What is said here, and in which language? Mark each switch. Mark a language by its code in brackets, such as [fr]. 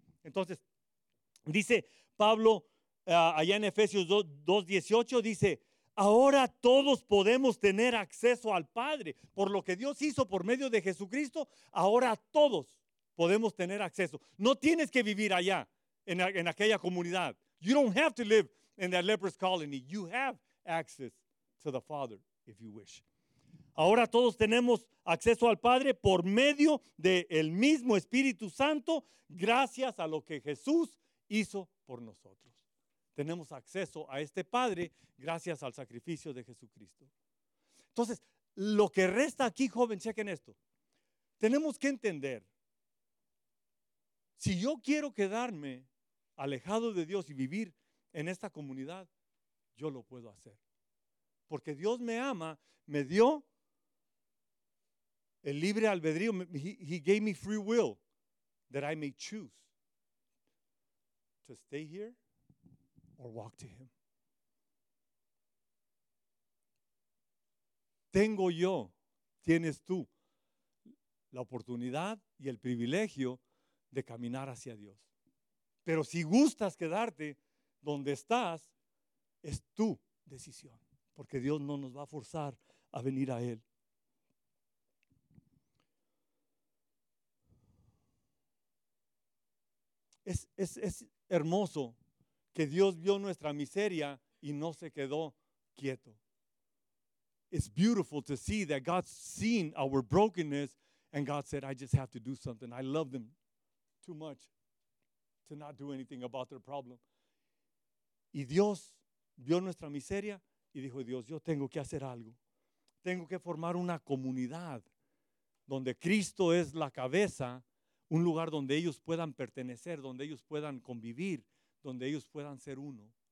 [es] Entonces, dice Pablo allá en Efesios 2:18, dice, ahora todos podemos tener acceso al Padre por lo que Dios hizo por medio de Jesucristo. Ahora todos podemos tener acceso. No tienes que vivir allá en aquella comunidad. [en] You don't have to live in that leper's colony. You have access to the Father if you wish. [es] Ahora todos tenemos acceso al Padre por medio del mismo Espíritu Santo, gracias a lo que Jesús hizo por nosotros. Tenemos acceso a este Padre gracias al sacrificio de Jesucristo. Entonces, lo que resta aquí, joven, chequen esto. Tenemos que entender, si yo quiero quedarme alejado de Dios y vivir en esta comunidad, yo lo puedo hacer. Porque Dios me ama, me dio el libre albedrío. [en] He gave me free will that I may choose to stay here or walk to Him. [es] Tengo yo, tienes tú, la oportunidad y el privilegio de caminar hacia Dios. Pero si gustas quedarte donde estás, es tu decisión, porque Dios no nos va a forzar a venir a Él. Es hermoso que Dios vio nuestra miseria y no se quedó quieto. [en] It's beautiful to see that God's seen our brokenness and God said, I just have to do something. I love them too much to not do anything about their problem. [es] Y Dios vio nuestra miseria y dijo, Dios, yo tengo que hacer algo. Tengo que formar una comunidad donde Cristo es la cabeza, un lugar donde ellos puedan pertenecer, donde ellos puedan convivir, donde ellos puedan ser uno.